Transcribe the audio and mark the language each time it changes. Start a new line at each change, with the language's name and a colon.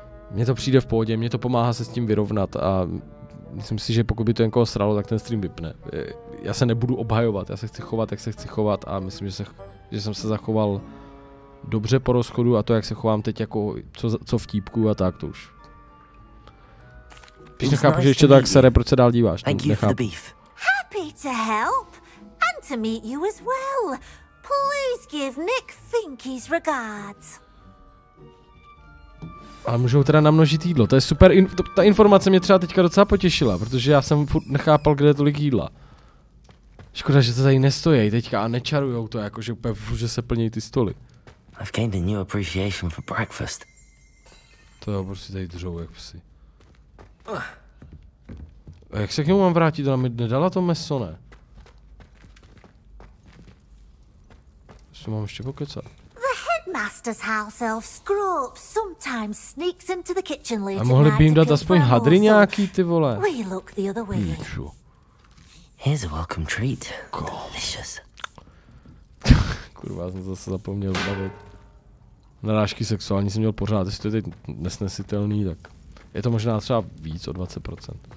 Czech: Mně to přijde v pohodě, mně to pomáhá se s tím vyrovnat a myslím si, že pokud by to někoho sralo, tak ten stream vypne. Já se nebudu obhajovat, já se chci chovat, jak se chci chovat a myslím, že jsem se zachoval dobře po rozchodu a to, jak se chovám teď, jako co vtípku a tak, to už. Píš nechápu, že ještě tak sere, proč se dál díváš? Nechápu.
English: Happy to help and to meet you as well. Please give Nick Finky's regards.
Czech: A můžou teda namnožit jídlo, to je super, ta informace mě třeba teďka docela potěšila, protože já jsem furt nechápal, kde je tolik jídla. Škoda, že to tady nestojí teďka a nečarujou to, jakože úplně furt, že se plnějí ty stoly.
English: I've gained a new appreciation for breakfast.
Czech: To jo, prostě tady držou jak psi. A jak se k němu mám vrátit, ona mi nedala to meso, ne?
English: The headmaster's house elf Scrope sometimes sneaks into the kitchen later.
Czech: A mohli by jim dát aspoň hadry nějaký, ty vole.
English: We look the other way. Here's a welcome treat. Delicious.
Czech: Kurva, jsem zase zapomněl zbavit. Narážky sexuální jsem měl pořád, jestli to je teď nesnesitelný, tak je to možná třeba víc o 20%.